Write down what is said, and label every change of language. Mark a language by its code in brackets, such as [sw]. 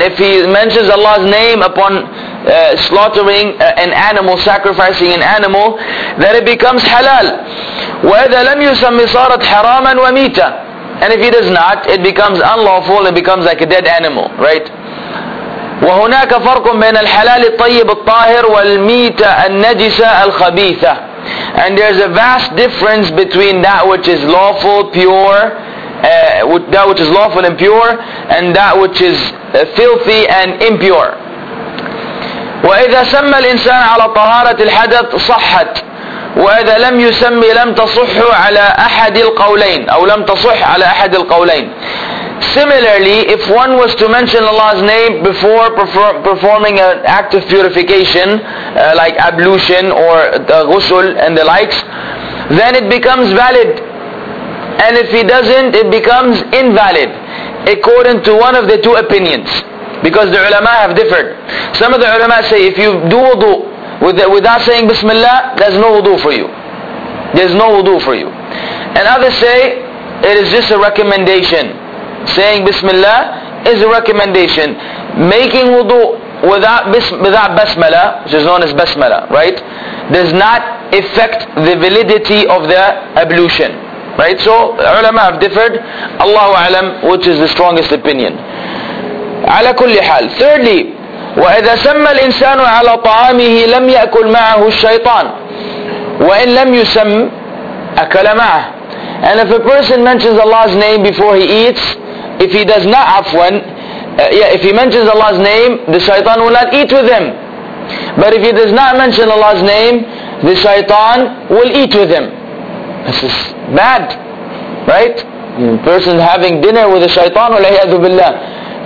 [en] If he mentions Allah's name upon slaughtering an animal, sacrificing an animal, then it becomes halal. [ar] وَإِذَا لَمْ يُسَمِّ صَارَتْ حَرَامًا وَمِيتًا. [en] And if he does not, it becomes unlawful, it becomes like a dead animal, right? [ar] وهناك فرق بين الحلال الطيب الطاهر والميتة النجسة الخبيثة. [en] And there's a vast difference between that which is lawful, pure, that which is lawful and pure, and that which is filthy and impure. [ar] وإذا سمى الإنسان على طهارة الحدث صحت. وإذا لم يسمي لم تصح على أحد القولين أو لم تصح على أحد القولين. [en] Similarly, if one was to mention Allah's name before performing an act of purification, like ablution or ghusl and the likes, then it becomes valid. And if he doesn't, it becomes invalid, according to one of the two opinions. Because the ulama have differed. Some of the ulama say, if you do wudu without saying Bismillah, there's no wudu for you. There's no wudu for you. And others say, it is just a recommendation. Saying Bismillah is a recommendation. Making wudu without basmala, which is known as basmala, right, does not affect the validity of the ablution. Right? So ulama have differed. [ar] Allahu alam, [en] which is the strongest opinion. [ar] على كل حال. [en] Thirdly, [ar] وإذا سمى الإنسان على طعامه لم يأكل معه الشيطان وإن لم يسم أكل معه. [en] And if a person mentions Allah's name before he eats, if he does not afwan, if he mentions Allah's name, the shaitan will not eat with him. But if he does not mention Allah's name, the shaitan will eat with him. This is bad, right? Person having dinner with a shaitan, [ar] walayyadu billah.